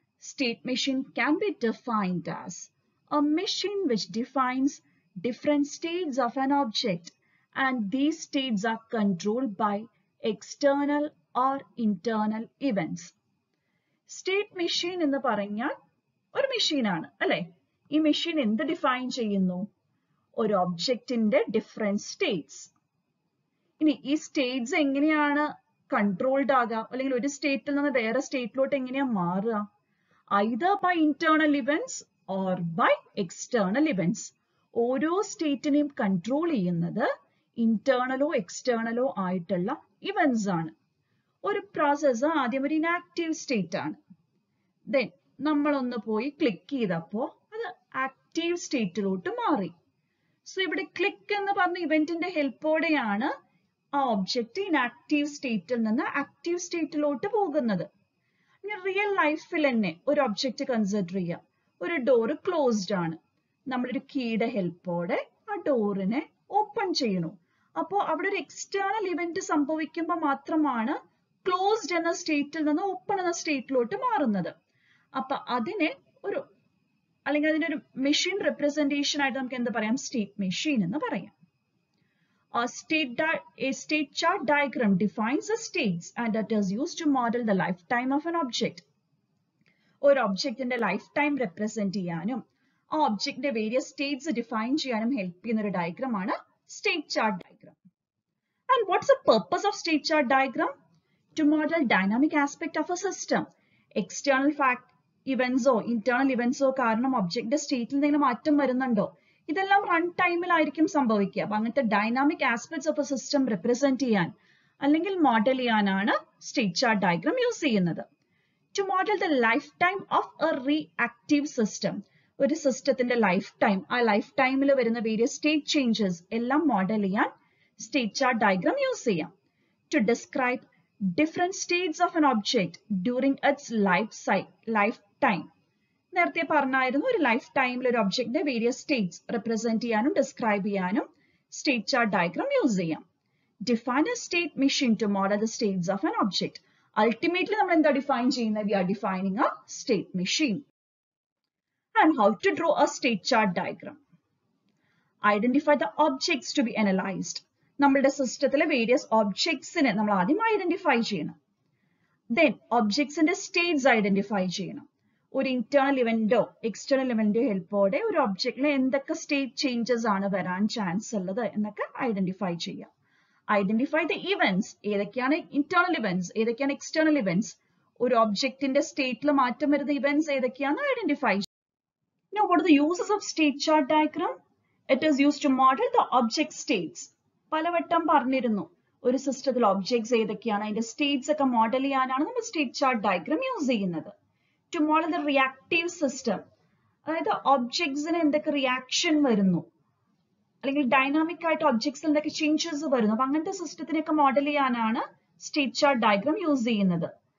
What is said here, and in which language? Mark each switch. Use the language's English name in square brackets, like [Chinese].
[English] State machine can be defined as a machine which defines different states of an object, and these states are controlled by external or internal events. [Malayalam] State machine ennu paranjal oru machine aanu alle. Ee machine endu define cheyyunnu, ഒരു ഒബ്ജക്റ്റിന്റെ different States. ഇനി ഈ States എങ്ങനെയാണ് controlled ആകുക, അല്ലെങ്കിൽ ഒരു സ്റ്റേറ്റിൽ നിന്ന് വേറെ സ്റ്റേറ്റിലോട്ട് എങ്ങനെയാ മാറുക? [English] Either by internal events or by external events. [Malayalam] ഓരോ സ്റ്റേറ്റിനെയും കൺട്രോൾ ചെയ്യുന്നത് ഇന്റേണലോ എക്സ്റ്റേണലോ ആയിട്ടുള്ള ഇവന്റ്സ് ആണ്. ഒരു പ്രോസസ്സ് ആദ്യം ഒരു ഇനാക്റ്റീവ് സ്റ്റേറ്റ് ആണ്, ദെൻ നമ്മളൊന്ന് പോയി ക്ലിക്ക് ചെയ്തപ്പോ അത് ആക്റ്റീവ് സ്റ്റേറ്റിലോട്ട് മാറി. സോ ഇവിടെ ക്ലിക്ക് എന്ന് പറഞ്ഞ ഇവന്റിന്റെ ഹെൽപ്പോടെയാണ് ആ ഒബ്ജക്റ്റ് ഇൻആക്റ്റീവ് സ്റ്റേറ്റിൽ നിന്ന് ആക്റ്റീവ് സ്റ്റേറ്റിലോട്ട് പോകുന്നത്. റിയൽ ലൈഫിൽ തന്നെ ഒരു ഒബ്ജക്റ്റ് കൺസിഡർ ചെയ്യാം, ഒരു ഡോറ് ക്ലോസ്ഡ് ആണ്, നമ്മളൊരു കീയുടെ ഹെൽപ്പോടെ ആ ഡോറിനെ ഓപ്പൺ ചെയ്യണു. അപ്പോ അവിടെ ഒരു എക്സ്റ്റേണൽ ഇവന്റ് സംഭവിക്കുമ്പോൾ മാത്രമാണ് ക്ലോസ്ഡ് എന്ന സ്റ്റേറ്റിൽ നിന്ന് ഓപ്പൺ എന്ന സ്റ്റേറ്റിലോട്ട് മാറുന്നത്. അപ്പൊ അതിനെ ഒരു അല്ലെങ്കിൽ അതിന്റെ ഒരു മെഷീൻ റെപ്രസെന്റേഷൻ ആയിട്ട് നമുക്ക് എന്താ പറയാം, സ്റ്റേറ്റ് മെഷീൻ എന്ന് പറയാം. [English] A state chart diagram defines the states and it is used to model the lifetime of an object. [Malayalam] ഒരു ഒബ്ജക്റ്റിന്റെ ലൈഫ് ടൈം റെപ്രസെന്റ് ചെയ്യാനും ആ ഒബ്ജക്റ്റിന്റെ വേരിയസ് സ്റ്റേറ്റ്സ് ഡിഫൈൻ ചെയ്യാനും ഹെൽപ്പ് ചെയ്യുന്ന ഒരു ഡയഗ്രാം ആണ് state chart diagram. [English] And what's the purpose of state chart diagram? To model dynamic aspect of a system. [Malayalam] External fact ഇവന്റ്സോ internal ഇവന്റ്സോ കാരണം ഒബ്ജക്റ്റിന്റെ സ്റ്റേറ്റിൽ എന്തെങ്കിലും മാറ്റം വരുന്നുണ്ടോ, ഇതെല്ലാം റൺ ടൈമിലായിരിക്കും സംഭവിക്കുക. അപ്പൊ അങ്ങനത്തെ [English] dynamic aspects of a system [Malayalam] represent ചെയ്യാൻ അല്ലെങ്കിൽ മോഡൽ ചെയ്യാനാണ് സ്റ്റേറ്റ് ചാർട്ട് ഡയഗ്രാം യൂസ് ചെയ്യുന്നത്. [English] To model the lifetime of a reactive system. [Malayalam] ഒരു സിസ്റ്റത്തിന്റെ ലൈഫ് ടൈം, ആ ലൈഫ് ടൈമിൽ വരുന്ന വേരിയസ് സ്റ്റേറ്റ് ചേഞ്ചസ് എല്ലാം മോഡൽ ചെയ്യാൻ സ്റ്റേറ്റ് ചാർട്ട് ഡയഗ്രാം യൂസ് ചെയ്യാം. [English] To describe different states of an object during its life time. [Malayalam] നേരത്തെ പറഞ്ഞായിരുന്നു ഒരു ലൈഫ് ടൈമിൽ ഒരു ഒബ്ജെക്ടിന്റെ വേരിയസ് സ്റ്റേറ്റ്സ് റെപ്രസെന്റ് ചെയ്യാനും ഡിസ്ക്രൈബ് ചെയ്യാനും സ്റ്റേറ്റ് ചാർട്ട് ഡയഗ്രാം യൂസ് ചെയ്യാം. [English] Define a state machine to model the states of an object. Ultimately, we are defining a state machine. And how to draw a state chart diagram? Identify the objects to be analyzed. [Malayalam] നമ്മളുടെ സിസ്റ്റത്തിലെ various objectsനെ നമ്മൾ ആദ്യം identify ചെയ്യണം. Then objectsന്റെ states identify ചെയ്യണം. ഒരു internal ഇവന്റോ external ഇവന്റോ ഹെൽപ്പോടെ ഒരു ഒബ്ജക്റ്റിലെ എന്തൊക്കെ state changes ആണ് വരാൻ ചാൻസ് ഉള്ളത് എന്നൊക്കെ ഐഡന്റിഫൈ ചെയ്യാം. [English] Identify the events. [Malayalam] ഏതൊക്കെയാണ് ഇന്റേണൽ ഇവന്റ്സ്, ഏതൊക്കെയാണ് എക്സ്റ്റേണൽ ഇവന്റ്സ്, ഒരു ഒബ്ജക്റ്റിന്റെ സ്റ്റേറ്റിൽ മാറ്റം വരുന്ന ഇവന്റ്സ് ഏതൊക്കെയാണ് ഐഡന്റിഫൈ ചെയ്യും. [English] Now, what are the uses of state chart diagram? It is used to model the object states. [Malayalam] പലവട്ടം പറഞ്ഞിരുന്നു ഒരു സിസ്റ്റത്തിൽ ഒബ്ജക്ട്സ് ഏതൊക്കെയാണ് അതിന്റെ സ്റ്റേറ്റ്സ് ഒക്കെ മോഡൽ ചെയ്യാനാണ് നമ്മൾ സ്റ്റേറ്റ് ചാർട്ട് ഡയഗ്രാം യൂസ് ചെയ്യുന്നത്. [English] to model the reactive system, [Malayalam] അതായത് ഒബ്ജക്ട്സിന് എന്തൊക്കെ റിയാക്ഷൻ വരുന്നു അല്ലെങ്കിൽ ഡൈനാമിക് ആയിട്ട് ഒബ്ജക്ട്സിൽ എന്തൊക്കെ ചേഞ്ചസ് വരുന്നു, അപ്പൊ അങ്ങനത്തെ സിസ്റ്റത്തിനൊക്കെ മോഡൽ ചെയ്യാനാണ് സ്റ്റേറ്റ് ചാർട്ട് ഡയഗ്രാം യൂസ് ചെയ്യുന്നത്.